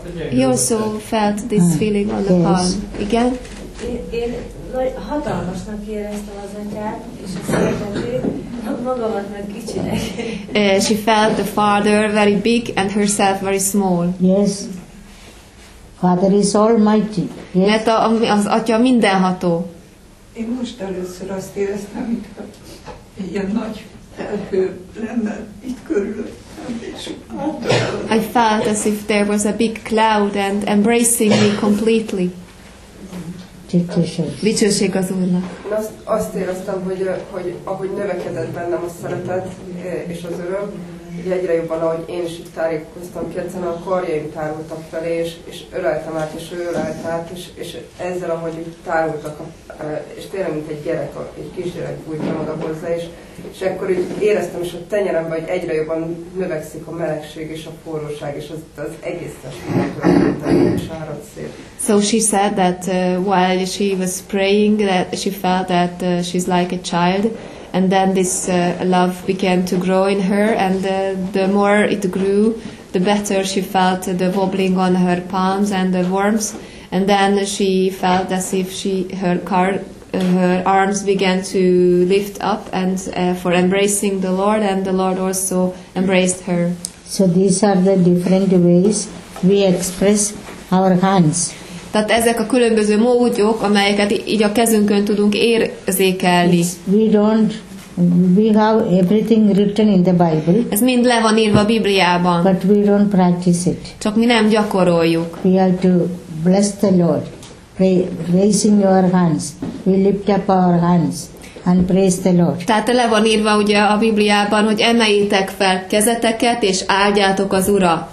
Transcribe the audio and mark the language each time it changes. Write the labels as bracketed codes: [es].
[en] He also felt this feeling on the palm. [hu] Igen? Én hatalmasnak éreztem az atyát, és a szeretetét, magamat meg kicsinek. [en] She felt the father very big and herself very small. Yes. Father is almighty. Yes. [hu] Mert az atya mindenható. Én most először azt éreztem, mintha ilyen nagy felhő lenne itt körülöttem. [en] I felt as if there was a big cloud and embracing me completely. [hu] Dicsőség az Úrnak. Azt éreztem, hogy ahogy növekedett bennem a szeretet és az öröm, hogy egyre jobban, ahogy én is itt tárékoztam ki, egyszerűen a karjaim tárultak felé, és öleltem át, és ő ölelt át, és ezzel, ahogy tárultak, és tényleg, mint egy gyerek, egy kisgyerek bújtam oda hozzá, és akkor így éreztem is a tenyeremben, hogy egyre jobban növekszik a melegség és a forróság, és az egész testemben sárad szét. [en] So she said that while she was praying, that she felt that she's like a child, and then this love began to grow in her, and the more it grew, the better she felt the wobbling on her palms and the warmth, and then she felt as if her arms began to lift up and for embracing the Lord, and the Lord also embraced her. So these are the different ways we express our hands. [hu] Tehát ezek a különböző módok, amelyeket így a kezünkön tudunk érzékelni. [en] We have everything written in the Bible. [hu] Ez mind le van írva a Bibliában. [en] But we don't practice it. [hu] Csak mi nem gyakoroljuk. [en] We have to bless the Lord, raising your hands. We lift up our hands and praise the Lord. [hu] Tehát le van írva ugye a Bibliában, hogy emeljétek fel kezeteket és áldjátok az Urat.